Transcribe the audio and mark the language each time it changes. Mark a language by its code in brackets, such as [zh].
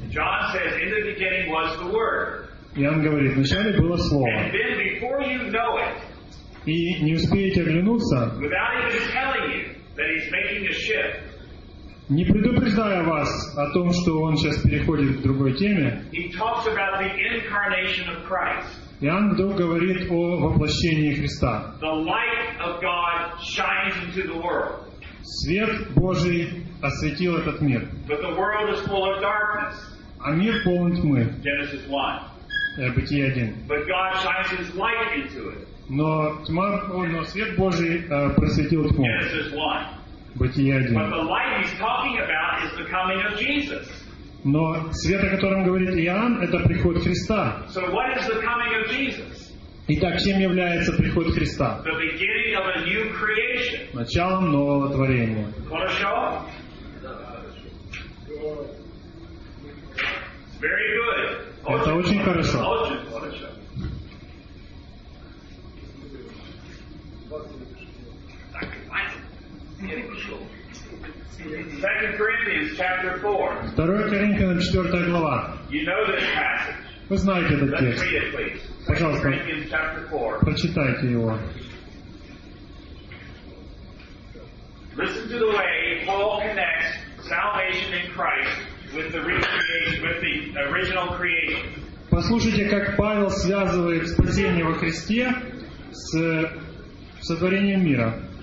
[en] John says, in the beginning was the word. [ru] Иоанн говорит, вначале было слово. [en] And then before you know it, [ru] и не успеете оглянуться, [en] without even telling you that he's making a shift, [ru] не предупреждая вас о том, что он сейчас переходит к другой теме, [en] he talks about the incarnation of Christ. [ru] Иоанн вдруг говорит о воплощении Христа. [en] The light of God shines into the world. [ru] Свет Божий осветил этот мир. [en] But the world is full of darkness. [ru] А мир полон тьмы. [en] Genesis 1. [ru] Бытие 1. [en] But God shines his light into it. [ru] Но свет Божий просветил тьму. [en] Genesis 1. [ru] Бытие 1. [en] But the light he's talking about is the coming of Jesus. [ru] Но свет, о котором говорит Иоанн, это приход Христа. [en] So what is the coming of Jesus? [ru] Итак, чем является приход Христа? [en] The beginning of a new creation. [ru] Начало нового творения. Хорошо? [en] Very good. [ru] Это очень хорошо. Очень хорошо. [en] Second Corinthians chapter 4. [ru] 2 Коринфянам 4 глава. [en] You know this passage. [ru] Вы знаете этот текст. Пожалуйста, прочитайте его. [en] Listen to the way Paul connects salvation in Christ with the recreation, with the original creation. [ru] Послушайте, как Павел связывает спасение во Христе с сотворением мира.